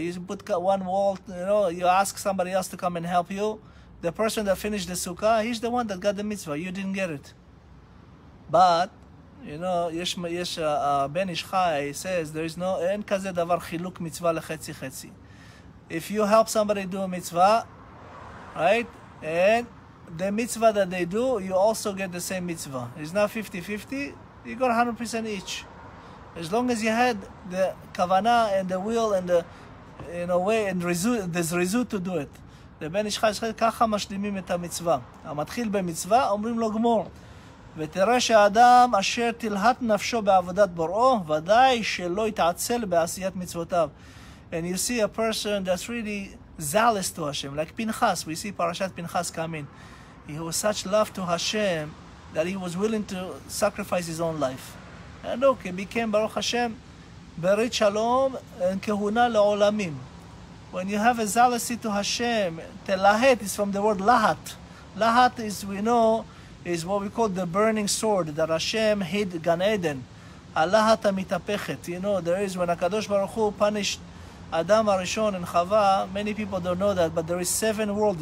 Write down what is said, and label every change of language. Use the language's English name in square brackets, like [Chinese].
[English] You put one wall, you know, you ask somebody else to come and help you. The person that finished the sukkah, he's the one that got the mitzvah. You didn't get it. But, you know, [Hebrew] יש בן איש חי, [English] he says, there is no, [Hebrew] אין כזה דבר חילוק מצווה לחצי חצי. [English] If you help somebody do a mitzvah, right? And the mitzvah that they do, you also get the same mitzvah. It's not 50-50, you got 100% each. As long as you had the kavana and the will and the, in a way, and there's rizut to do it. [Hebrew] The בן איש חי, ככה משלימים את המצווה. המתחיל במצווה, אומרים לו גמור. ותראה שהאדם אשר תלהט נפשו בעבודת בוראו, ודאי שלא יתעצל בעשיית מצוותיו. [English] And you see a person that's really zealous to Hashem, like Pinchas. We see parashat Pinchas coming. He was such love to Hashem that he was willing to sacrifice his own life. And look, he became Baruch Hashem [Hebrew] ברית שלום כהונה לעולמים. [English] When you have a zealousy to Hashem, תלהט is from the word להט. להט is, we know, is what we call the burning sword that Hashem hid Gan Eden. Alahat ha-mitapechet. You know, there is, when HaKadosh Baruch Hu punished Adam HaRishon and Chava, many people don't know that, but there is 7 worlds.